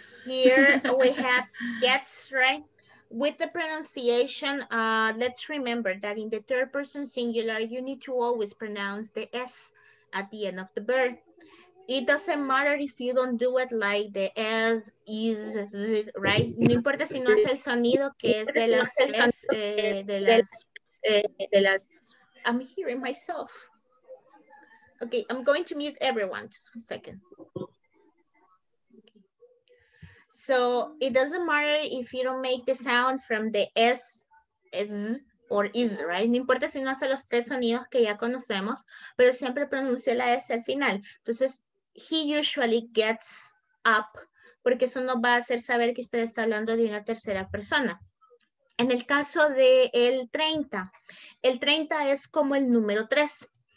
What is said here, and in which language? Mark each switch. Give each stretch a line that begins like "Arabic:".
English: Here we have gets right. With the pronunciation, let's remember that in the third person singular, you need to always pronounce the S at the end of the verb. It doesn't matter if you don't do it like the S, is, right?
Spanish: No importa si no hace el sonido que es de las S, de las...
English: I'm hearing myself. Okay, I'm going to mute everyone, just one second. So it doesn't matter if you don't make the sound from the S, S, or is, right?
Spanish: No importa si no hace los tres sonidos que ya conocemos, pero siempre pronuncia la S al final. Entonces,
English: he usually gets up,
Spanish: porque eso nos va a hacer saber que usted está hablando de una tercera persona. En el caso de el 30 es como el número 3.